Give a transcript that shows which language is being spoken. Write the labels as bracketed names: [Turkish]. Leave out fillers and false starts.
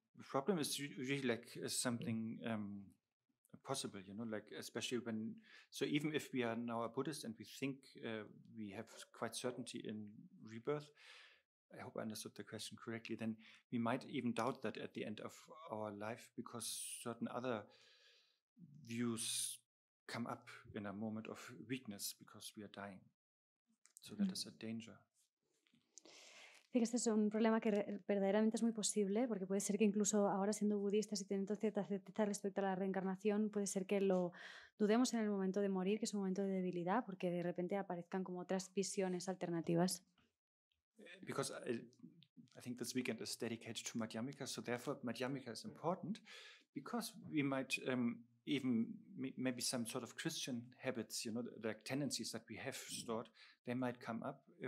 [English] Problem is really like something possible, you know, like especially when, so even if we are now a Buddhist and we think we have quite certainty in rebirth, I hope I understood the question correctly, then we might even doubt that at the end of our life, because certain other views come up in a moment of weakness because we are dying. So that is a danger. [Spanish] Sí, este es un problema que verdaderamente es muy posible, porque puede ser que incluso ahora siendo budistas y teniendo cierta certeza respecto a la reencarnación, puede ser que lo dudemos en el momento de morir, que es un momento de debilidad, porque de repente aparezcan como otras visiones alternativas. [English] Because I think this weekend is dedicated to Madhyamika, so therefore Madhyamika is important, because we might even maybe some sort of Christian habits, you know, the tendencies that we have stored, they might come up